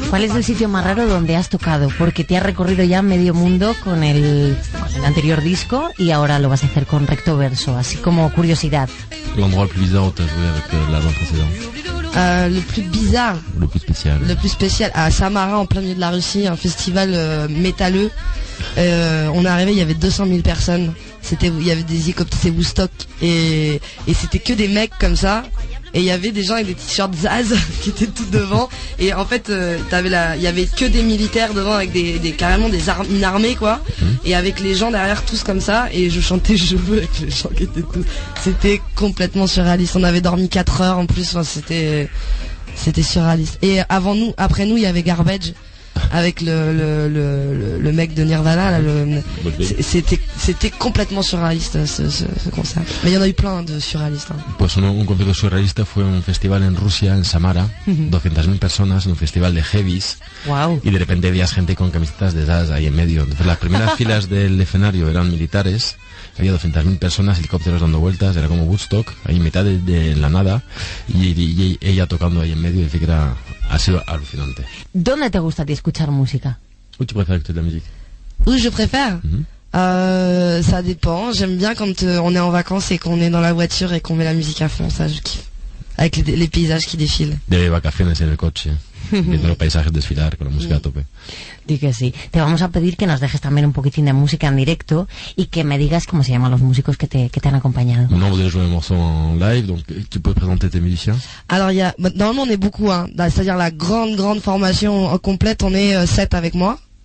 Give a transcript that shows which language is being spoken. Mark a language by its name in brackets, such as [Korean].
[Spanish] ¿Cuál es el sitio más raro donde has tocado? Porque te has recorrido ya medio mundo con el anterior disco y ahora lo vas a hacer con Recto Verso, así como curiosidad. [French] L'endroit le plus bizarre où t'as joué avec l'album précédent. Le plus bizarre. Le plus spécial. Le plus spécial. À Samara, en plein milieu de la Russie, un festival métalleux. On est arrivé, il y avait 200 000 personnes. Il y avait des hélicoptères, c'est Woodstock. Et c'était que des mecs comme ça. Et il y avait des gens avec des t-shirts Zaz qui étaient tout devant. Et en fait, il y avait que des militaires devant avec des carrément des armes, une armée, quoi. Et avec les gens derrière, tous comme ça. Et je chantais Je veux avec les gens qui étaient tous. C'était complètement surréaliste. On avait dormi 4 heures en plus. Enfin, c'était surréaliste. Et avant nous, après nous, il y avait Garbage. Avec le mec de Nirvana, là, c'était complètement surréaliste ce concert. Mais il y en a eu plein de surréalistes. Hein. [Spanish] Pues un concierto surréaliste fue un festival en Rusia, en Samara. 200.000 personas, un festival de heavies. Wow. Y de repente había gente con camisetas de Zaz ahí en medio. Entonces, las primeras filas del escenario eran militares. Había 200.000 personas, helicópteros dando vueltas. Era como Woodstock, ahí en mitad de la nada. Y ella tocando ahí en medio. Y que era. Ha sido alucinante. ¿Dónde te gusta escuchar música? [French] ¿Où tu préfères écouter de la musique? ¿Où je préfère? Mm-hmm. Ça dépend. J'aime bien quand on est en vacances et qu'on est dans la voiture et qu'on met la musique à fond. Ça, je kiffe. Avec les paysages qui défilent. [Spanish] De vacaciones en el coche. Viendo los paisajes desfilar con la música a tope. Dí que sí. Te vamos a pedir que nos dejes también un poquitín de música en directo y que me digas cómo se llaman los músicos que te han acompañado. [French] No, vous avez joué un morceau en live, donc tu peux présenter tes musiciens. Alors, normalement, on est beaucoup, hein. C'est-à-dire la grande formation en complète, on est 7 avec moi.